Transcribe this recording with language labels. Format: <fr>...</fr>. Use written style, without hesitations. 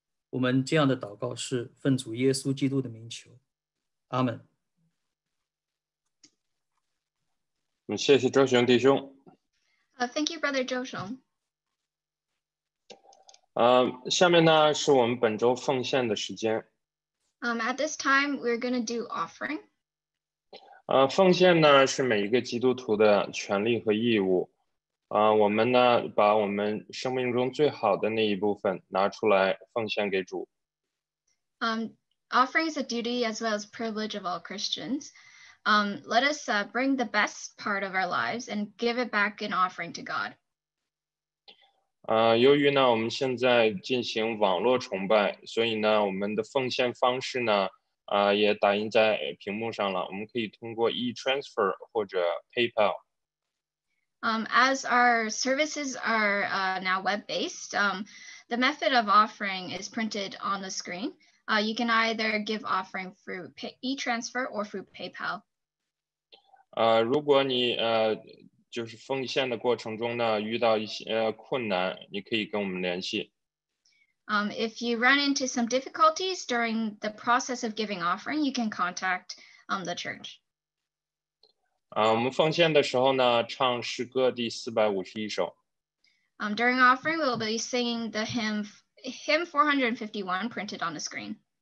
<zh>我们这样的祷告是奉主耶稣基督的名求，阿们。谢谢周雄弟兄。</zh> <en>Thank you, Brother 周雄。</en> <zh>下面呢是我们本周奉献的时间。</zh> <en>At this time, we're going to do offering.</en> <zh>奉献呢是每一个基督徒的权利和义务。我们呢把我们生命中最好的那一部分拿出来奉献给主。</zh> <en>Offering is a duty as well as privilege of all Christians. Let us bring the best part of our lives and give it back in offering to God.</en> <zh>由于呢我们现在进行网络崇拜，所以呢我们的奉献方式呢也打印在屏幕上了，我们可以通过 e-transfer 或者 PayPal。</zh> <en>As our services are now web-based, the method of offering is printed on the screen. You can either give offering through e-transfer or through PayPal.</en> <zh>如果你就是奉献的过程中呢遇到一些困难，你可以跟我们联系。</zh> <en>If you run into some difficulties during the process of giving offering, you can contact the church.</en> <zh>我们奉献的时候呢唱诗歌第451首。</zh> <en>During offering, we'll be singing the hymn 451 printed on the screen.</en>